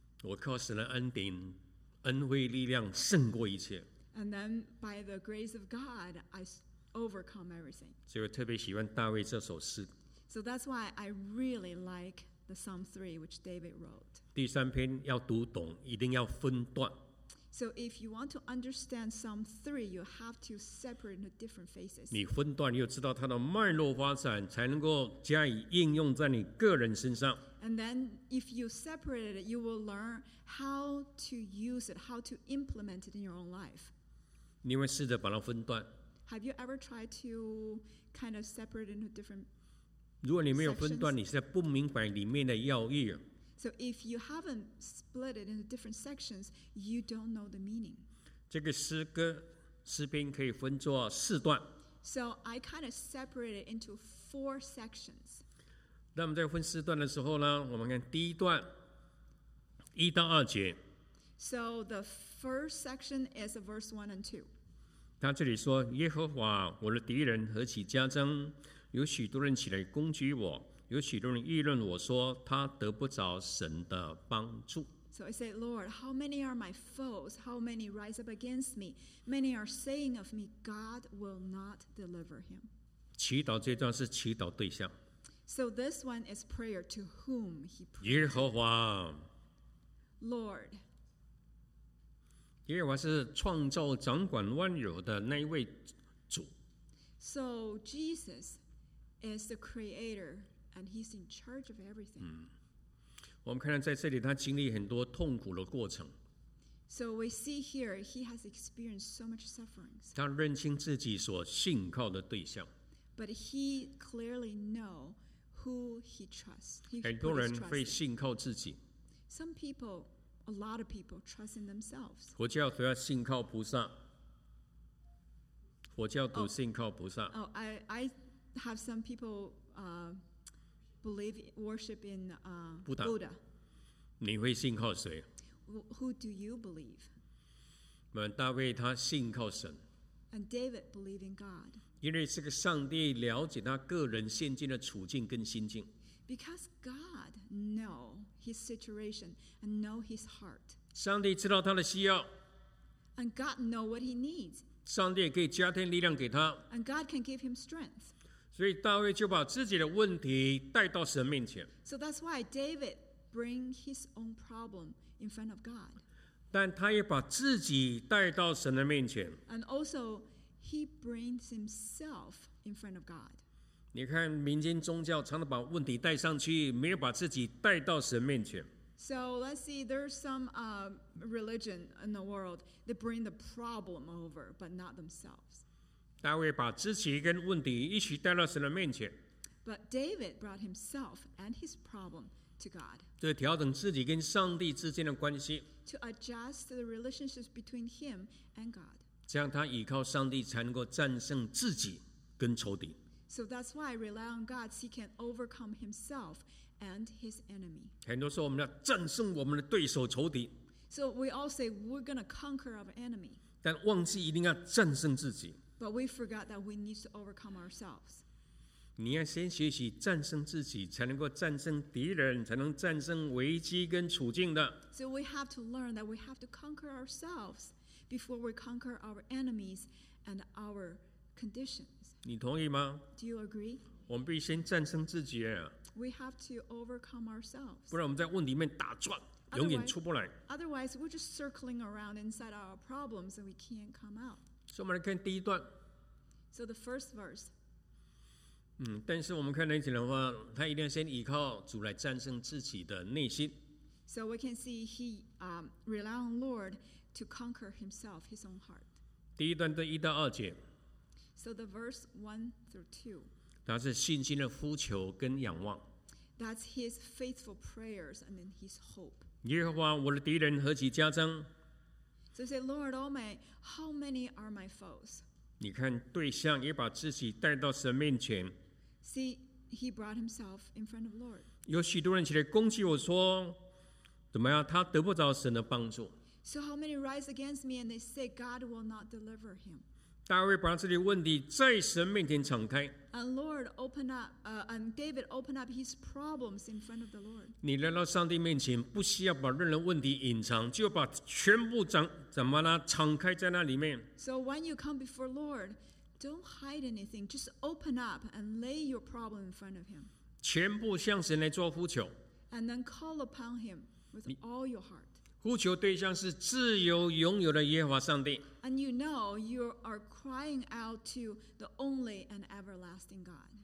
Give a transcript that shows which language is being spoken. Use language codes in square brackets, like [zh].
[zh] 我靠神的恩典，恩惠力量胜过一切。 [en] And then by the grace of God, I overcome everything. [zh] 所以我特别喜欢大卫这首诗。 [en] So that's why I really like the Psalm 3, which David wrote. [zh] 第三篇要读懂，一定要分段。 [en] So if you want to understand Psalm 3, you have to separate into different phases. [zh] 你分段又知道它的脉络发展，才能够加以应用在你个人身上。 [en] And then if you separate it, you will learn how to use it, how to implement it in your own life. [zh] 你会试着把它分段。 [en] Have you ever tried to kind of separate into different sections? [zh] 如果你没有分段，你是在不明白里面的要义。 [en] So if you haven't split it into different sections, you don't know the meaning. [zh] 这个诗歌诗篇可以分作四段。 [en] So I kind of separate it into four sections. [zh] 那我们在分四段的时候呢，我们看第一段一到二节。 [en] So the first section is verse 1 and 2. [zh] 他这里说：“耶和华，我的敌人何其加增，有许多人起来攻击我。” 有许多人议论我说，他得不着神的帮助。 [en] So I say, Lord, how many are my foes? How many rise up against me? Many are saying of me, God will not deliver him. [zh] 祈祷这段是祈祷对象。 [en] So this one is prayer to whom he prays. [zh] 耶和华。 [en] Lord. [zh] 耶和华是创造掌管万有的那一位主。 [en] So Jesus is the creator. And he's in charge of everything. [zh] 我们看到在这里，他经历很多痛苦的过程。 [en] So we see here he has experienced so much sufferings. [zh] 他认清自己所信靠的对象。 [en] But he clearly know who he trusts. [zh] 很多人会信靠自己。 [en] Some people, a lot of people, trust in themselves. [zh] 佛教主要信靠菩萨。佛教徒信靠菩萨。 [en] Oh, I have some people. Believe worship in Buddha. [zh] 你会信靠谁？ [en] Who do you believe? [zh] 那大卫他信靠神。 [en] And David believed in God. [zh] 因为这个上帝了解他个人现今的处境跟心境。 [en] Because God know his situation and know his heart. [zh] 上帝知道他的需要。 [en] And God know what he needs. [zh] 上帝也可以加添力量给他。 [en] And God can give him strength. [zh] 所以大卫就把自己的问题带到神面前。 [en] So that's why David bring his own problem in front of God. [zh] 但他也把自己带到神的面前。 [en] And also he brings himself in front of God. [zh] 你看民间宗教常常把问题带上去，没有把自己带到神面前。 [en] So let's see, there's some religion in the world that bring the problem over, but not themselves. [zh] 大卫把自己跟问题一起带到神的面前。 [en] But David brought himself and his problem to God. [zh] 这调整自己跟上帝之间的关系。 [en] To adjust the relationships between him and God. [zh] 这样他依靠上帝才能够战胜自己跟仇敌。 [en] So that's why I rely on God, so he can overcome himself and his enemy. [zh] 很多时候我们要战胜我们的对手仇敌。 [en] So we all say we're going to conquer our enemy. [zh] 但忘记一定要战胜自己。 [en] But we forgot that we need to overcome ourselves. [zh] 你要先学习战胜自己，才能够战胜敌人，才能战胜危机跟处境的。 [en] So we have to learn that we have to conquer ourselves before we conquer our enemies and our conditions. [zh] 你同意吗 [en] ？Do you agree？ [zh] 我们必须先战胜自己。 [en] We have to overcome ourselves. [zh] 不然我们在问题里面打转。永远出不来。 [en] Otherwise, we're just circling around inside our problems and we can't come out. [zh] 所以我们来看第一段。 [en] So the first verse. [zh] 但是我们看那句的话，他一定要先依靠主来战胜自己的内心。 [en] So we can see he rely on Lord to conquer himself, his own heart. [zh] 第一段的一到二节。 [en] So the verse 1-2. [zh] 他是信心的呼求跟仰望。 [en] That's his faithful prayers and then his hope. [zh] 耶和华，我的敌人何其加增 [en] ！So say, Lord, oh my, how many are my foes? [zh] 你看，对象也把自己带到神面前。 [en] See, he brought himself in front of the Lord. [zh] 有许多人起来攻击我说，怎么样？他得不着神的帮助。 [en] So how many rise against me and they say God will not deliver him? [zh] 大卫把自己问题在神面前敞开。 [en] And Lord, open up. And David, open up his problems in front of the Lord. [zh] 你来到上帝面前，不需要把任何问题隐藏，就把全部敞开在那里面。 [en] So when you come before Lord, don't hide anything. Just open up and lay your problem in front of him. [zh] 全部向神来做呼求。 [en] And then call upon him with all your heart. [zh] 呼求对象是自由拥有的耶和华上帝。 [en] And you know you are crying out to the only and everlasting God.